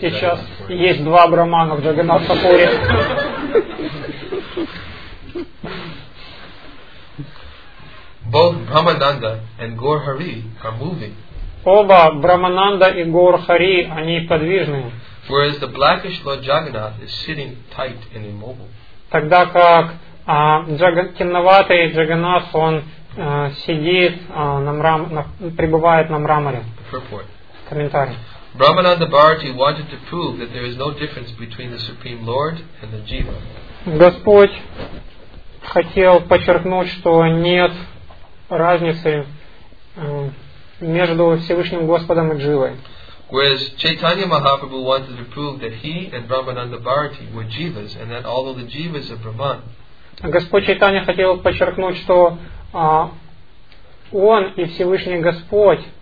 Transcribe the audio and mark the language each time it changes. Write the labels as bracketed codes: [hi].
[ru] Сейчас есть два Брахмана в Джаганнатхапури. [en] Both Brahmananda and Gaur Hari are moving. [ru] оба Брамананда и Гор Хари, они подвижные. [en] Whereas the blackish Lord Jagannath is sitting tight and immobile. [ru] Тогда как темноватый Джаганнат, он сидит пребывает на мраморе. Комментарий. [en] Brahmananda Bharati wanted to prove that there is no difference between the Supreme Lord and the Jiva. [ru] Господь хотел подчеркнуть, что нет разницы между Всевышним Господом и Дживой. [en] Whereas Chaitanya Mahaprabhu wanted to prove that he and Brahmananda Bharati were Jivas, and that although the Jivas are Brahman. [ru] Господь Чайтанья хотел подчеркнуть, что Он и Всевышний Господь.